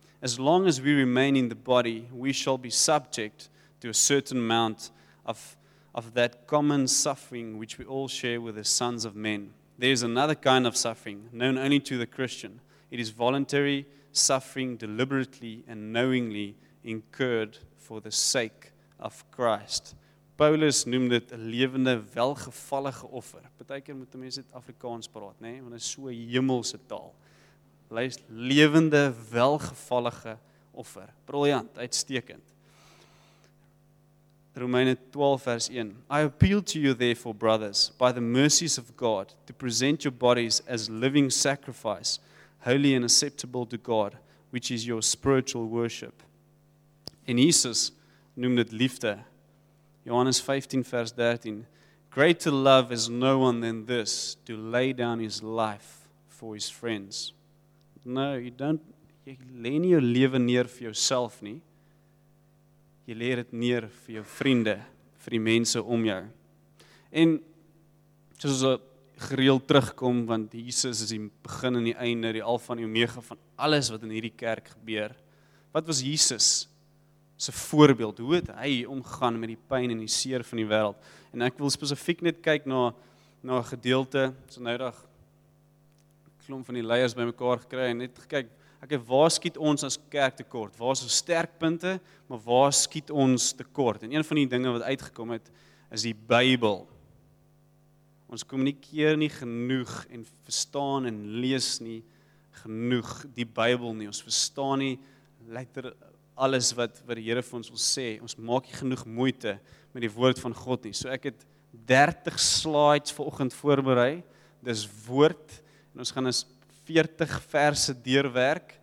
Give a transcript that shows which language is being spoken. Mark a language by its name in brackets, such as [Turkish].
[English] As long as we remain in the body, we shall be subject to a certain amount of that common suffering which we all share with the sons of men. There is another kind of suffering, known only to the Christian. It is voluntary suffering deliberately and knowingly incurred for the sake of Christ. [Afrikaans] Paulus noem dit 'n lewende, welgevallige offer. Partykeer moet mense dit Afrikaans praat, nê? Want dit is so 'n hemelse taal. Luis, lewende, welgevallige offer. Briljant, uitstekend. Romeine 12 vers 1. [English] I appeal to you therefore, brothers, by the mercies of God, to present your bodies as living sacrifice, holy and acceptable to God, which is your spiritual worship. [Afrikaans] En Jesus noem dit liefde. Johannes 15 vers 13, [English] greater love is no one than this, to lay down his life for his friends. [Afrikaans] No, jy lê nie jou lewe neer vir jouself nie, jy lê dit neer vir jou vriende, vir die mense om jou. En soos ons gereeld terugkom, want Jesus is die begin en die einde, die alfa en die omega van alles wat in hierdie kerk gebeur, wat was Jesus se voorbeeld, hoe het hy omgaan met die pyn en die seer van die wêreld? En ek wil spesifiek net kyk na 'n gedeelte, so noudag klomp van die leiers by mekaar gekry en net gekyk, okay, waar skiet ons as kerk tekort? Waar is ons sterkpunte, maar waar skiet ons tekort? En een van die dinge wat uitgekom het, is die Bybel. Ons kommunikeer nie genoeg en verstaan en lees nie genoeg die Bybel nie. Ons verstaan nie letter alles wat die Here vir ons wil sê, ons maak nie genoeg moeite met die woord van God nie. So ek het 30 slides vanoggend voorberei, dis woord, en ons gaan 'n 40 verse deurwerk.